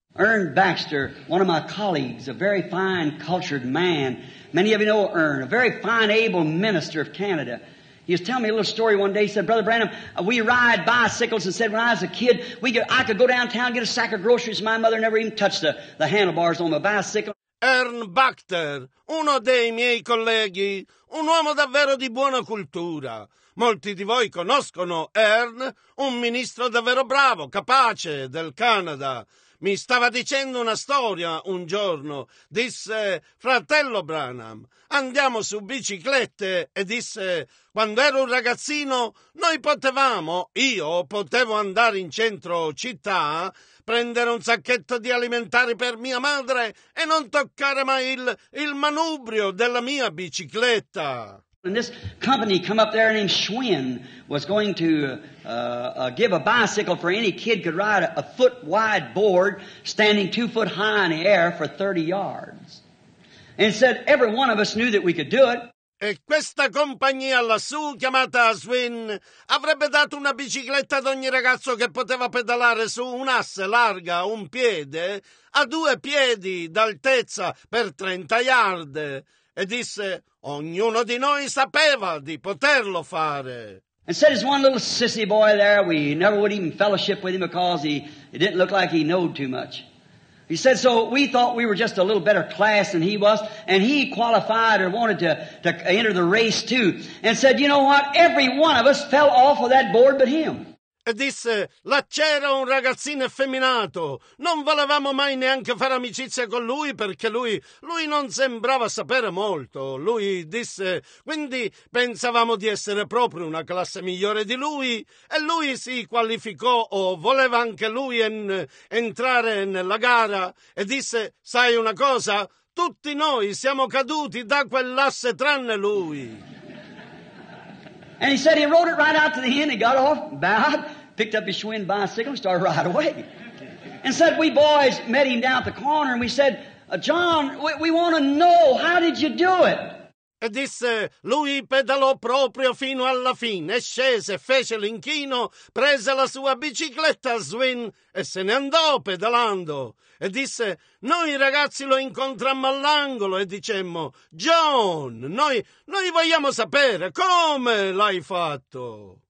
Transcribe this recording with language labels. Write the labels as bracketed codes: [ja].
[en] Ern Baxter, one of my colleagues, a very fine, cultured man. Many of you know Ern, a very fine, able minister of Canada. He was telling me a little story one day. He said, Brother Branham, we ride bicycles. And said, when I was a kid, I could go downtown, get a sack of groceries. My mother never even touched the handlebars on my bicycle. [it] Ern Bachter, uno dei miei colleghi, un uomo davvero di buona cultura. Molti di voi conoscono Ern, un ministro davvero bravo, capace del Canada. Mi stava dicendo una storia un giorno. Disse, fratello Branham, andiamo su biciclette. E disse, quando ero un ragazzino, io potevo andare in centro città, prendere un sacchetto di alimentari per mia madre e non toccare mai il manubrio della mia bicicletta. [en] And this company come up there named Schwinn was going to give a bicycle for any kid could ride a foot wide board standing 2 foot high in the air for 30 yards. And said every one of us knew that we could do it. [it] E questa compagnia lassù, chiamata Swin, avrebbe dato una bicicletta ad ogni ragazzo che poteva pedalare su un'asse larga un piede, a due piedi d'altezza per 30 yard. E disse, ognuno di noi sapeva di poterlo fare. [en] And said his one little sissy boy there, we never would even fellowship with him because he didn't look like he knowed too much. He said, so we thought we were just a little better class than he was, and he qualified or wanted to enter the race too. And said, you know what, every one of us fell off of that board but him. [it] E disse, là c'era un ragazzino effeminato, non volevamo mai neanche fare amicizia con lui perché lui non sembrava sapere molto. Lui disse, quindi pensavamo di essere proprio una classe migliore di lui e lui si qualificò o voleva anche lui entrare nella gara e disse, sai una cosa, tutti noi siamo caduti da quell'asse tranne lui. [en] And he said he rode it right out to the end, he got off, bowed, picked up his Schwinn bicycle and started right away. And said, we boys met him down at the corner and we said, John, we want to know, how did you do it? [it] E disse, lui pedalò proprio fino alla fine, scese, fece l'inchino, prese la sua bicicletta Swin e se ne andò pedalando. E disse, noi ragazzi lo incontrammo all'angolo e dicemmo, John, noi vogliamo sapere come l'hai fatto.